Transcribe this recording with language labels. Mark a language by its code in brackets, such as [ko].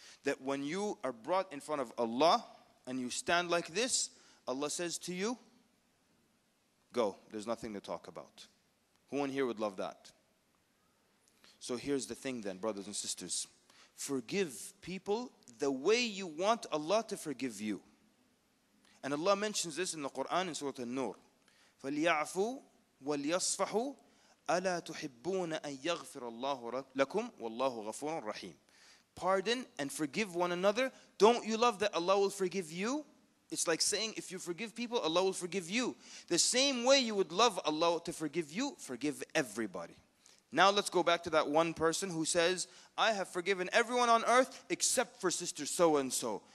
[en] That when you are brought in front of Allah and you stand like this, Allah says to you, go, there's nothing to talk about. Who in here would love that? So here's the thing then, brothers and sisters. Forgive people the way you want Allah to forgive you. And Allah mentions this in the Quran in Surah An-Nur. [ar] فَلْيَعْفُوا وَلْيَصْفَحُوا أَلَا تُحِبُّونَ أَن يَغْفِرَ اللَّهُ لَكُمْ وَاللَّهُ غَفُورٌ رَحِيمٌ [en] Pardon and forgive one another. Don't you love that Allah will forgive you? It's like saying, if you forgive people, Allah will forgive you. The same way you would love Allah to forgive you, forgive everybody. Now let's go back to that one person who says, I have forgiven everyone on earth except for sister so-and-so.